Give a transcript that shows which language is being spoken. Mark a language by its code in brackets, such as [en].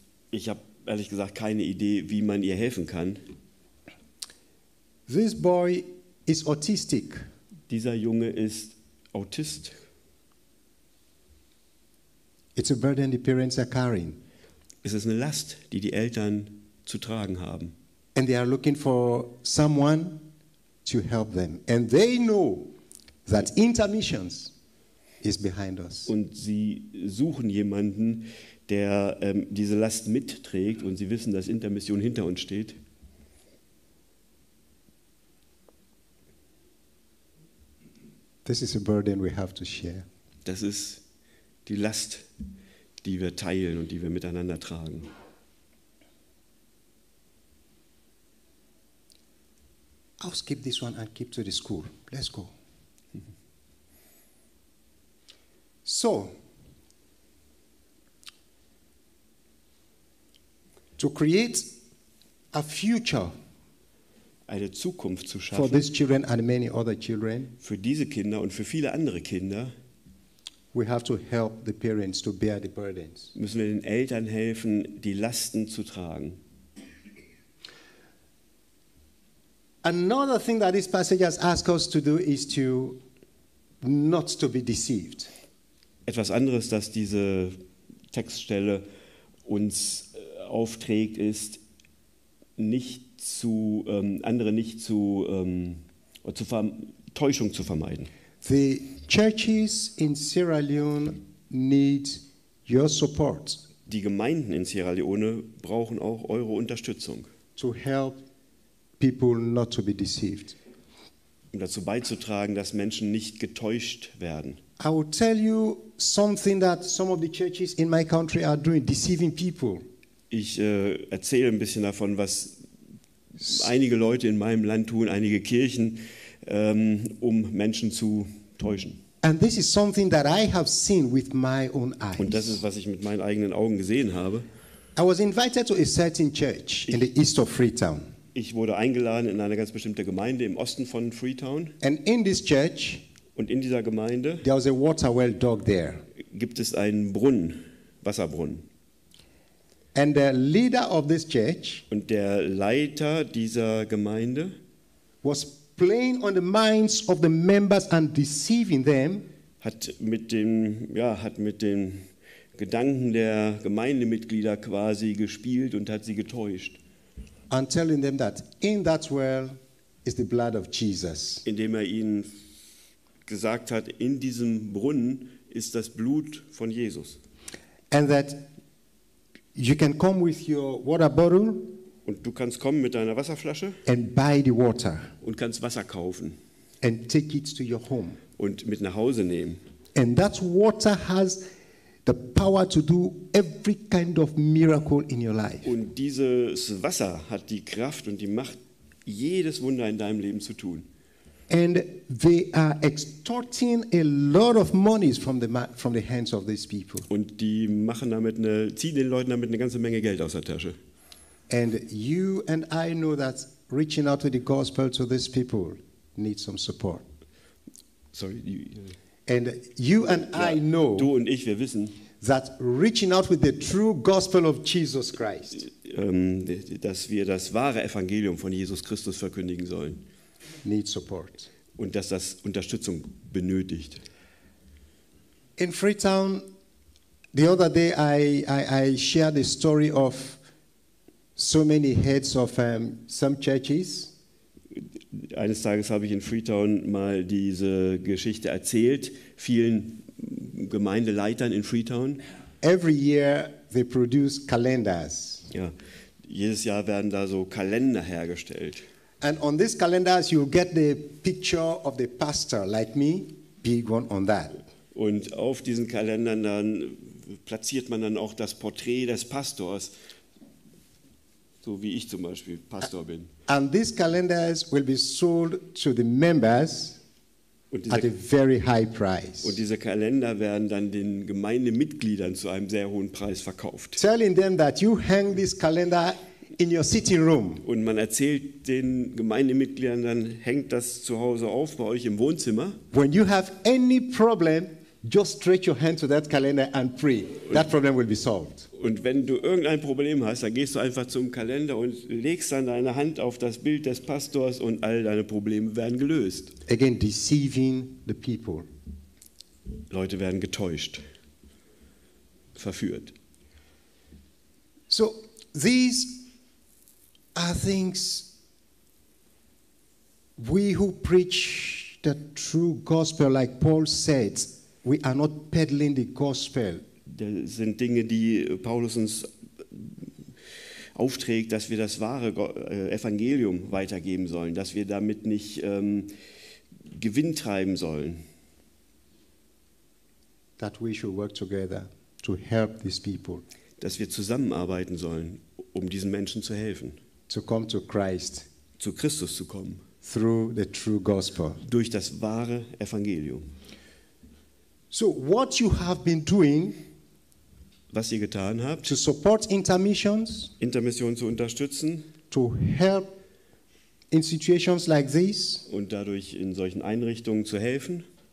[de] Ich habe ehrlich gesagt keine Idee, wie man ihr helfen kann. [en] This boy is autistic. [de] Dieser Junge ist Autist. [en] It's a burden the parents are carrying. [de] Es ist eine Last, die die Eltern zu tragen haben. [en] And they are looking for someone to help them. And they know that Intermissions is behind us. [de] Und sie suchen jemanden, der diese Last mitträgt, und sie wissen, dass Intermission hinter uns steht. [en] This is a burden we have to share. [de] Das ist die Last, die wir teilen und die wir miteinander tragen. [en] I'll skip this one and keep to the school. Let's go. So, to create a future. [de] Eine Zukunft zu schaffen [en] for these children and many other children, [de] für diese Kinder und für viele andere Kinder, [en] we have to help the parents to bear the burdens. [de] Müssen wir den Eltern helfen, die Lasten zu tragen. [en] Another thing that this passage has asked us to do is to not to be deceived. [de] Etwas anderes, das diese Textstelle uns aufträgt, ist nicht zu andere nicht zu zu Täuschung zu vermeiden. [en] The churches in Sierra Leone need your support. [de] Die Gemeinden in Sierra Leone brauchen auch eure Unterstützung. [en] To help people not to be deceived. [de] Um dazu beizutragen, dass Menschen nicht getäuscht werden. [en] I will tell you something that some of the churches in my country are doing, deceiving people. [de] Ich erzähle ein bisschen davon, was einige Leute in meinem Land tun, einige Kirchen, um Menschen zu täuschen. [en] And this is something that I have seen with my own eyes. [de] Und das ist, was ich mit meinen eigenen Augen gesehen habe. [en] I was invited to a certain church in the east of Freetown. [de] Ich wurde eingeladen in eine ganz bestimmte Gemeinde im Osten von Freetown. [en] And in this church, [de] und in dieser Gemeinde, [en] there was a water well dug there. [de] Gibt es einen Brunnen, Wasserbrunnen. [en] And the leader of this church, [de] und der Leiter dieser Gemeinde, [en] was playing on the minds of the members and deceiving them, [de] hat mit den Gedanken der Gemeindemitglieder quasi gespielt und hat sie getäuscht. [en] And telling them that in that well is the blood of Jesus. [de] Indem er ihnen gesagt hat, in diesem Brunnen ist das Blut von Jesus. [en] And that you can come with your water bottle. [de] Und du kannst kommen mit deiner Wasserflasche. [en] And buy the water. [de] Und kannst Wasser kaufen. [en] And take it to your home. [de] Und mit nach Hause nehmen. [en] And that water has the power to do every kind of miracle in your life. [de] Und dieses Wasser hat die Kraft und die Macht, jedes Wunder in deinem Leben zu tun. [en] And they are extorting a lot of monies from the hands of these people. Und die machen damit ziehen den Leuten damit eine ganze Menge Geld aus der Tasche. And you and I know that reaching out to the gospel to these people needs some support. Sorry. And you and I know, [de] du und ich, wir wissen, [en] that reaching out with the true gospel of Jesus Christ, [de] dass wir das wahre Evangelium von Jesus Christus verkündigen sollen, [en] needs support. [de] Und dass das Unterstützung benötigt. [en] In Freetown, the other day I shared a story of so many heads of some churches. [de] Eines Tages habe ich in Freetown mal diese Geschichte erzählt, vielen Gemeindeleitern in Freetown. [en] Every year they produce calendars. [de] Ja, jedes Jahr werden da so Kalender hergestellt. [en] And on these calendars you get the picture of the pastor like me, big one on that. [de] Und auf diesen Kalendern dann platziert man dann auch das Porträt des Pastors, so wie ich zum Beispiel Pastor bin. [en] And these calendars will be sold to the members at a very high price. [de] Und diese Kalender werden dann den Gemeindemitgliedern zu einem sehr hohen Preis verkauft. [en] Telling them that you hang this calendar in your sitting room. [de] Und man erzählt den Gemeindemitgliedern dann, hängt das zu Hause auf bei euch im Wohnzimmer. [en] When you have any problem, just stretch your hand to that calendar and pray. That problem will be solved. [de] Und wenn du irgendein Problem hast, dann gehst du einfach zum Kalender und legst dann deine Hand auf das Bild des Pastors und all deine Probleme werden gelöst. [en] Again, deceiving the people. [de] Leute werden getäuscht, verführt. [en] So, these are things we who preach the true gospel, like Paul said, we are not peddling the gospel. [de] Das sind Dinge, die Paulus uns aufträgt, dass wir das wahre Evangelium weitergeben sollen, dass wir damit nicht Gewinn treiben sollen. [en] That we should work together to help these people. [de] Dass wir zusammenarbeiten sollen, um diesen Menschen zu helfen. [en] To come to Christ. [de] Zu Christus zu kommen. [en] Through the true gospel. [de] Durch das wahre Evangelium. [en] So, what you have been doing, [de] was ihr getan habt, [en] to support intermissions, [de] Intermissionen zu unterstützen, [en] to help in situations like this, [de] und dadurch in solchen Einrichtungen zu helfen,